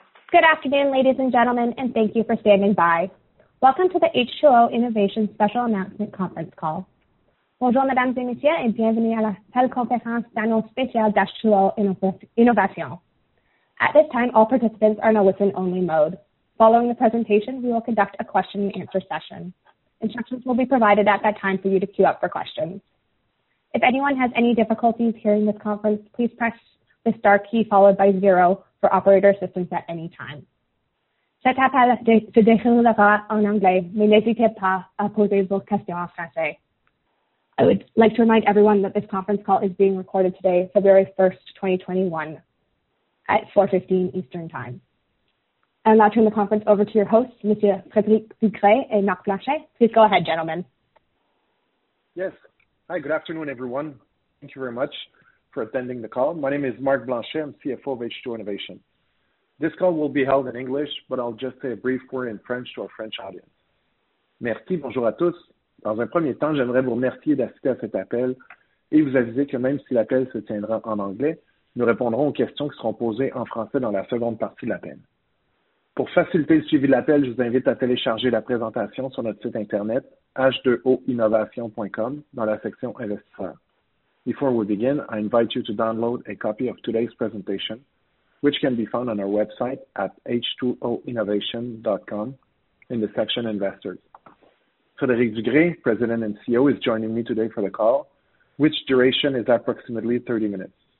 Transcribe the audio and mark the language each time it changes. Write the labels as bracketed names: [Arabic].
[English] Good afternoon, ladies and gentlemen, and thank you for standing by. Welcome to the H2O Innovation Special Announcement Conference Call. [French] Bonjour, mesdames et messieurs, et bienvenue à la téléconférence d'annonce spéciale d'H2O Innovation. [English] At this time, all participants are in a listen-only mode. Following the presentation, we will conduct a question-and-answer session. Instructions will be provided at that time for you to queue up for questions. If anyone has any difficulties hearing this conference, please press the star key followed by zero for operator assistance at any time. [French] Cet appel se déroulera en anglais, mais n'hésitez pas à poser vos questions en français. [English] I would like to remind everyone that this conference call is being recorded today, February 1st, 2021, at 4:15 Eastern Time. I'll now turn the conference over to your hosts, Monsieur Frédéric Ducret and Marc Blanchet. Please go ahead, gentlemen. Yes. Hi, good afternoon, everyone. Thank you very much for attending the call. My name is Marc Blanchet. I'm CFO of H2O Innovation. This call will be held in English, but I'll just say a brief word in French to our French audience. [French] Merci, bonjour à tous. Dans un premier temps, j'aimerais vous remercier d'assister à cet appel et vous aviser que même si l'appel se tiendra en anglais, nous répondrons aux questions qui seront posées en français dans la seconde partie de l'appel. Pour faciliter le suivi de l'appel, je vous invite à télécharger la présentation sur notre site Internet h2oinnovation.com dans la section investisseurs. [English] Before we begin, I invite you to download a copy of today's presentation, which can be found on our website at h2oinnovation.com in the section investors. Frédéric Ducret, President and CEO, is joining me today for the call, which duration is approximately 30 minutes.